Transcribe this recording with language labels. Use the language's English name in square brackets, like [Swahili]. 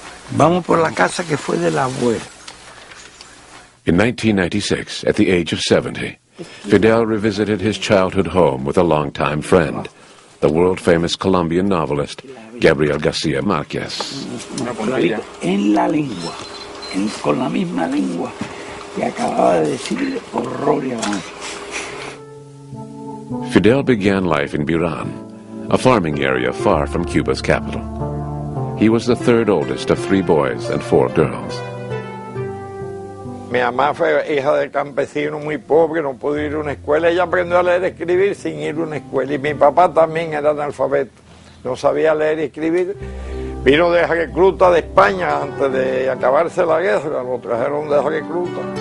[Spanish] Vamos por la casa que fue del abuelo. [English] In 1996, at the age of 70, Fidel revisited his childhood home with a longtime friend, the world-famous Colombian novelist Gabriel García Márquez. [Spanish] En la lengua, con la misma lengua que acababa de decir horror y abajo. [English] Fidel began life in Burán, a farming area far from Cuba's capital. He was the third oldest of three boys and four girls. [Spanish] Mi mamá fue hija de campesino muy pobre, no pudo ir a una escuela. Ella aprendió a leer y escribir sin ir a una escuela. Y mi papá también era analfabeto, no sabía leer y escribir. Vino de recluta de España antes de acabarse la guerra, lo trajeron de recluta.